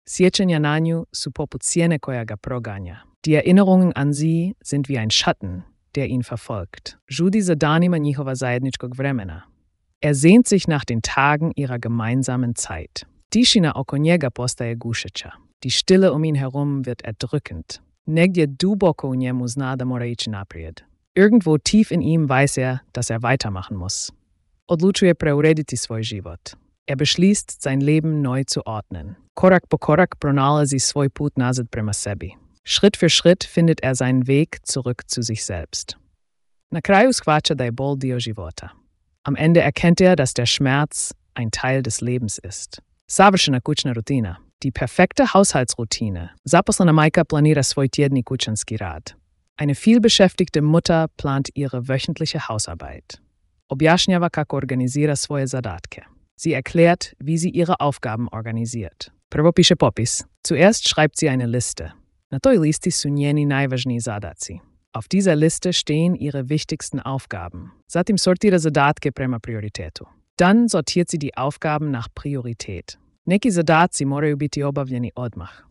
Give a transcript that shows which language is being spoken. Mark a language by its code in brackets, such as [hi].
[hr] Sjećanja na nju su poput sjene koja ga proganja. [de] Die Erinnerungen an sie sind wie ein Schatten, der ihn verfolgt. [hr] Žudi za danima njihova zajedničkog vremena. [de] Er sehnt sich nach den Tagen ihrer gemeinsamen Zeit. [hr] Tišina oko njega postaje gušeća. [de] Die Stille um ihn herum wird erdrückend. [hr] Negdje duboko u njemu zna da mora ići naprijed. [de] Irgendwo tief in ihm weiß er, dass er weitermachen muss. [hr] Odlučuje preurediti svoj život. [de] Er beschließt, sein Leben neu zu ordnen. [hr] Korak po korak pronalazi svoj put nazad prema sebi. [de] Schritt für Schritt findet er seinen Weg zurück zu sich selbst. [hr] Na kraju skvača da je bol dio života. [de] Am Ende erkennt er, dass der Schmerz ein Teil des Lebens ist. [hr] Savršena kućna rutina. [de] Die perfekte Haushaltsroutine. [hr] Zaposlena majka planira svoj tjedni kućanski rad. [de] Eine vielbeschäftigte Mutter plant ihre wöchentliche Hausarbeit. [hr] Objašnjava kako organizira svoje zadatke. [de] Sie erklärt, wie sie ihre Aufgaben organisiert. [hr] Prvo piše popis. [de] Zuerst schreibt sie eine Liste. [hr] Na toj listi su njeni najvažniji zadaci. [de] Auf dieser Liste stehen ihre wichtigsten Aufgaben. [hr] Zatim sortira zadatke prema prioritetu. [de] Dann sortiert sie die Aufgaben nach Priorität. [hr] Neki zadaci moraju biti obavljeni odmah.